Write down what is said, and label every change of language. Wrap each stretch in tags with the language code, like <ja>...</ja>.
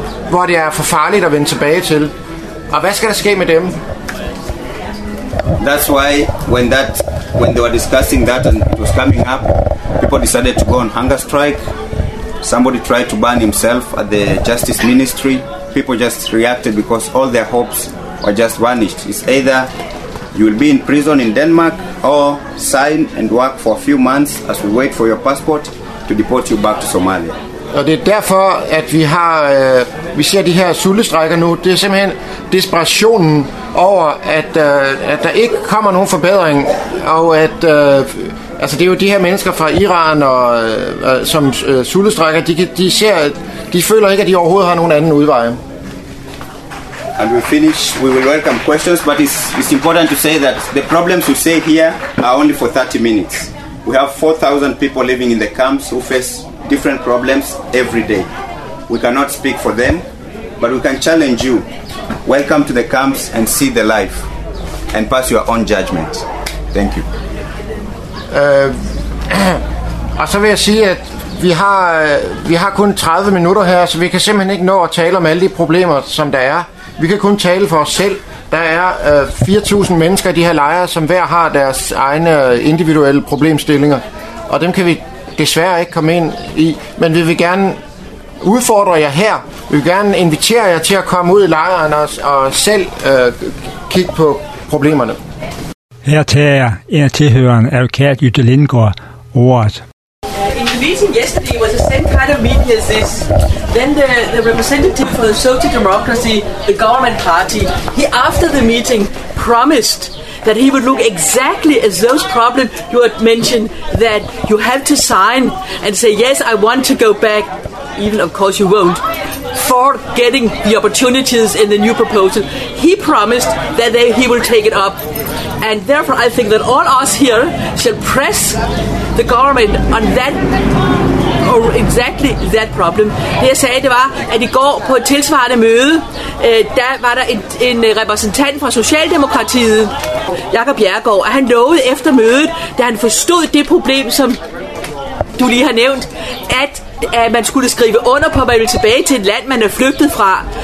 <da>Hvor det er for farligt at vende tilbage til. Og hvad skal der ske med dem?</da> <en>That's why when they were discussing that and it was coming up, people decided to go on hunger strike. Somebody tried to burn himself at the Justice Ministry. People just reacted because all their hopes were just vanished. It's either you will be in prison in Denmark or sign and work for a few months as we wait for your passport to deport you back to Somalia.</en> <da>Og det er derfor, at vi ser de her sultestrækker nu. Det er simpelthen desperationen over, at der ikke kommer nogen forbedring, og at det er jo de her mennesker fra Iran og som sultestrækker, de føler ikke, at de overhovedet har nogen anden udvej.</da> <en>And we finish. We will welcome questions, but it's important to say that the problems we say here are only for 30 minutes. We have 4,000 people living in the camps who face different problems every day. We cannot speak for them, but we can challenge you. Welcome to the camps and see the life and pass your own judgment. Thank you.</en> <da>Og så vil jeg sige, at vi har kun 30 minutter her, så vi kan simpelthen ikke nå at tale om alle de problemer, som der er. Vi kan kun tale for os selv. Der er 4.000 mennesker i de her lejre, som hver har deres egne individuelle problemstillinger, og dem kan vi desværre ikke komme ind i. Men vi vil gerne udfordre jer her. Vi vil gerne invitere jer til at komme ud i lejren og selv kigge på problemerne. Her tager en af tilhørerne, advokat Jytte Lindgaard, ordet.</da> <en>In the meeting yesterday was the same kind of meeting as this. Then the representative for the Social Democracy, the government party, he after the meeting promised that he would look exactly as those problems you had mentioned, that you have to sign and say, yes, I want to go back. even of course you won't, for getting the opportunities in the new proposal. He promised that he will take it up. And therefore, I think that all us here shall press the government on that, or exactly that problem.</en> <da>Det jeg sagde, det var, at i går på et tilsvarende møde, der var der en repræsentant fra Socialdemokratiet, Jakob Bjerregaard, og han lovede efter mødet, da han forstod det problem, som du lige har nævnt, at man skulle skrive under på, at man ville tilbage til et land, man er flygtet fra.</da>